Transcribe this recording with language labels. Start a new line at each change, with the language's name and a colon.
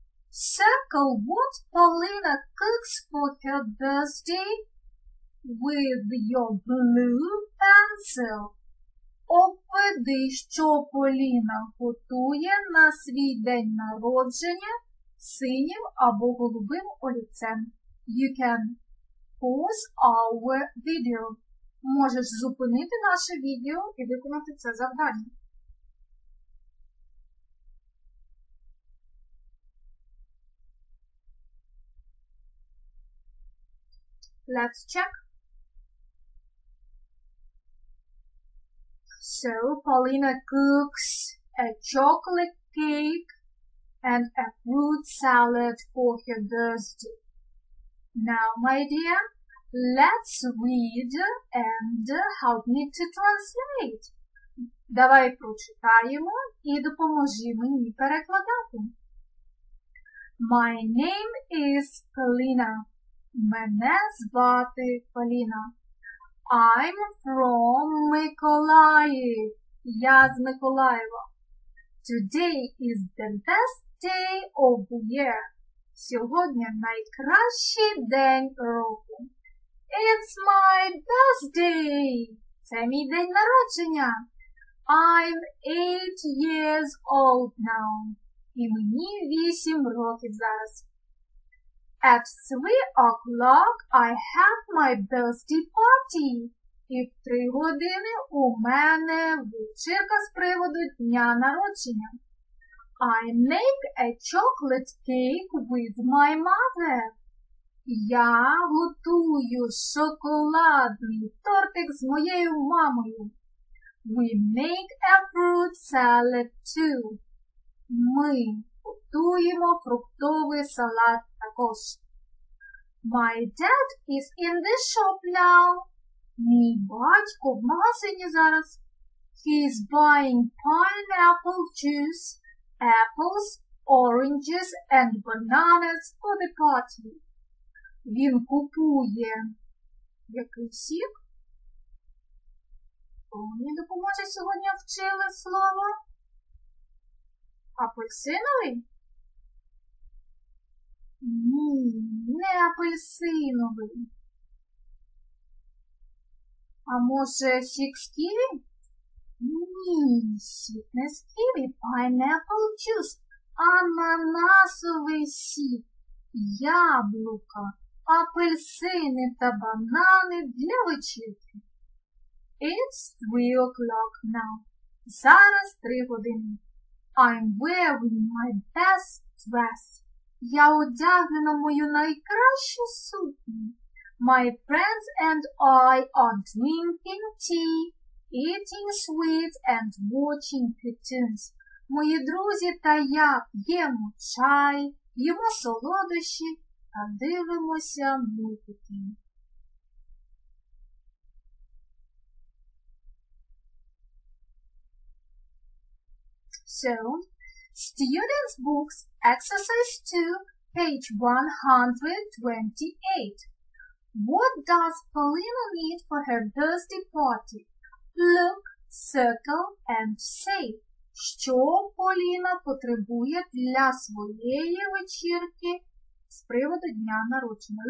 English: Circle what Paulina cooks for her birthday with your blue pencil.
Ukrainian: Опиши, що Поліна готує на свій день народження синім або голубим олівцем.
English: You can pause our video.
Ukrainian: Можеш зупинити наше відео і виконати це завдання.
English: Let's check. So, Paulina cooks a chocolate cake and a fruit salad for her birthday. Now, my dear, let's read and help me to translate.
Ukrainian: Давай прочитаємо і допоможи мені перекладати.
English: My name is Paulina.
Ukrainian: Мене звати Поліна.
English: I'm from Миколаїв.
Ukrainian: Я з Миколаєва.
English: Today is the best day of the year.
Ukrainian: Сьогодні найкращий день року.
English: It's my birthday.
Ukrainian: Це мій день народження.
English: I'm 8 years old now.
Ukrainian: І мені 8 років зараз.
English: At 3 o'clock I have my birthday party.
Ukrainian: І в 3 години у мене вечірка з приводу дня народження.
English: I make a chocolate cake with my mother.
Ukrainian: Я готую шоколадний тортик з моєю мамою.
English: We make a fruit salad too.
Ukrainian: Ми готуємо фруктовий салат також.
English: My dad is in the shop now.
Ukrainian: Мій батько в магазині зараз.
English: He is buying pineapple juice, apples, oranges and bananas for the party.
Ukrainian: Він купує який сік? Мені допоможе сьогодні вчили слово? Апельсиновий? Ні, не апельсиновий. А може сік з ківі? Ні, сік не з ківі.
English: Pineapple juice.
Ukrainian: Ананасовий сік. Яблука. Апельсини та банани для вечірки.
English: It's 3 o'clock now.
Ukrainian: Зараз 3 години.
English: I'm wearing my best dress.
Ukrainian: Я одягнена мою найкращу сукню.
English: My friends and I are drinking tea, eating sweets and watching cartoons.
Ukrainian: Мої друзі та я п'ємо чай, їмо солодощі та дивимося мультики.
English: So, students' books, exercise 2, page 128. What does Paulina need for her birthday party? Look Settle and say,
Ukrainian: що Поліна потребує для своєї вечірки з приводу дня народження.